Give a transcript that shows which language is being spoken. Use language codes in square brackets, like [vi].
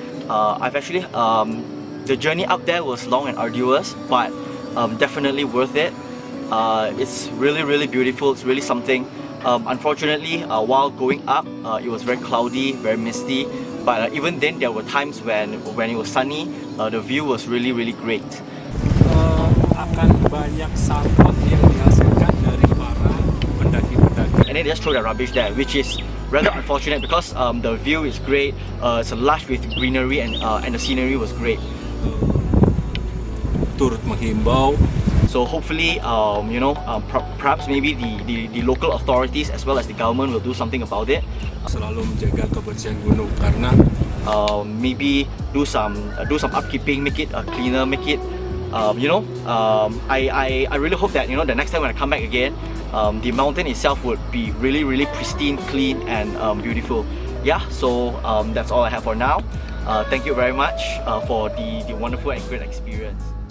[en] The journey up there was long and arduous, but definitely worth it. It's really, really beautiful. It's really something. Unfortunately, while going up, it was very cloudy, very misty. But even then, there were times when it was sunny. The view was really, really great. [id] Akan banyak sampah yang dihasilkan dari para pendaki-pendaki. [en] And then they just throw their rubbish there, which is rather unfortunate because the view is great. It's lush with greenery and the scenery was great. [id] Turut menghimbau. [en] So hopefully, perhaps maybe the local authorities as well as the government will do something about it. [id] Selalu menjaga kebersihan gunung karena [en] maybe do some upkeeping, make it cleaner, make it. I really hope that, you know, the next time when I come back again, the mountain itself would be really, really pristine, clean, and beautiful. Yeah, so that's all I have for now. Thank you very much for the wonderful and great experience.